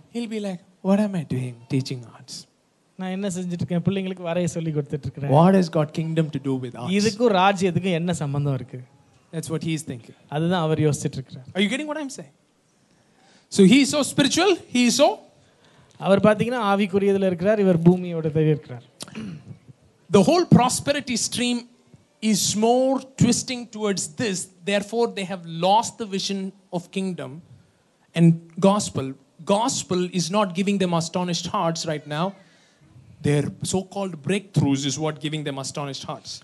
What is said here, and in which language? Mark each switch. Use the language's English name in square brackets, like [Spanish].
[English] he'll be like, what am I doing teaching arts? [Tamil] நான் என்ன செஞ்சிட்டு இருக்கேன், பிள்ளைங்களுக்கு வரைய சொல்லி கொடுத்துட்டு இருக்கிறேன். [English] What has got kingdom to do with us? [Tamil] இதுக்கு ராஜ்யத்துக்கு என்ன சம்பந்தம் இருக்கு? [English] That's what he is thinking. [Tamil] அதுதான் அவர் யோசிச்சிட்டு இருக்கிறார். [English] Are you getting what I'm saying? So he is so spiritual, he is so, [Tamil] அவர் பாத்தீங்கன்னா ஆவிக்குரியதுல இருக்கிறார், இவர் பூமியோட தேடி இருக்கிறார். [English] The whole prosperity stream is more twisting towards this, therefore they have lost the vision of kingdom and gospel is not giving them astonished hearts right now. Their so-called breakthroughs is what giving them astonished hearts.